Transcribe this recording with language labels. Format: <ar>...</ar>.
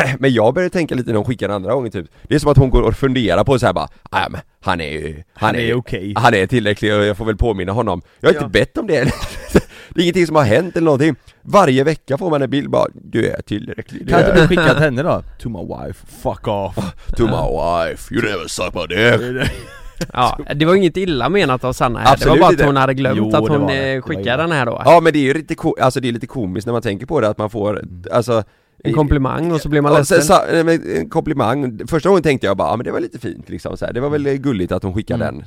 <sv>Men jag började tänka lite när hon skickar den andra gången typ. Det är som att hon går och funderar på så här bara, han är okej. Han är tillräcklig och jag får väl påminna honom. Jag har inte bett om det. Det är ingenting som har hänt eller någonting. Varje vecka får man en bild bara, du är tillräcklig. Kan du skicka till henne då?</sv> <en>To my wife, fuck off. To my wife, you never suck my dick.</en> <sv>Ja, det var inget illa menat av Sanna här. Absolut, det var bara att hon hade glömt att hon skickade den här då. Ja, men det är ju lite, alltså, det är lite komiskt när man tänker på det. Att man får alltså, en komplimang och så blir man ledsen. En komplimang. Första gången tänkte jag bara, ja, men det var lite fint liksom, så här. Det var väl gulligt att hon skickade den.</sv>